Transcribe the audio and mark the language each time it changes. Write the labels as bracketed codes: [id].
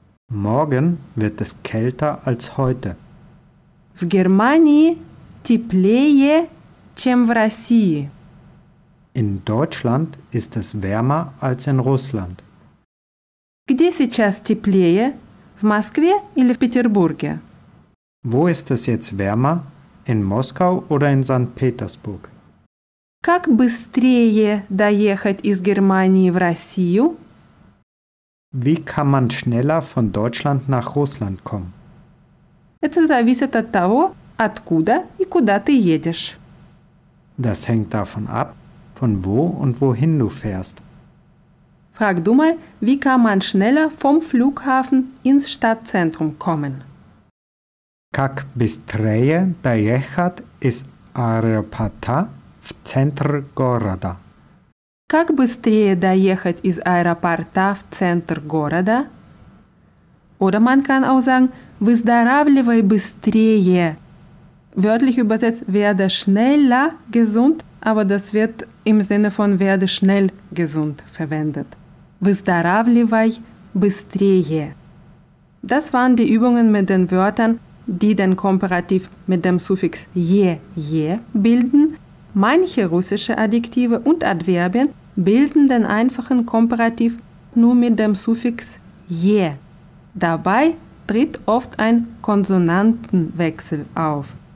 [de] Morgen wird es kälter als heute. [ru] В Германии теплее, чем в России. [de] In Deutschland ist es wärmer als in Russland. [ru] Где сейчас теплее, в Москве или в Петербурге? [de] Wo ist es jetzt wärmer, in Moskau oder in St. Petersburg? [ru] Как быстрее доехать из Германии в Россию? [de] Wie kann man schneller von Deutschland nach Russland kommen? [ru] Это зависит от того, откуда и куда ты едешь. [de] Das hängt davon ab, von wo und wohin du fährst. Frag du mal, wie kann man schneller vom Flughafen ins Stadtzentrum kommen? [ru] Как быстрее доехать из аэропорта в центр города? Как быстрее доехать из аэропорта в центр города? [de] Oder man kann auch sagen, [ru] выздоравливай быстрее. [de] Wörtlich übersetzt, werde schneller gesund, aber das wird im Sinne von werde schnell gesund verwendet. [ru] Выздоравливай быстрее. [de] Das waren die Übungen mit den Wörtern, die den Komparativ mit dem Suffix je, je bilden. Manche russische Adjektive und Adverbien bilden den einfachen Komparativ nur mit dem Suffix je. Dabei tritt oft ein Konsonantenwechsel auf.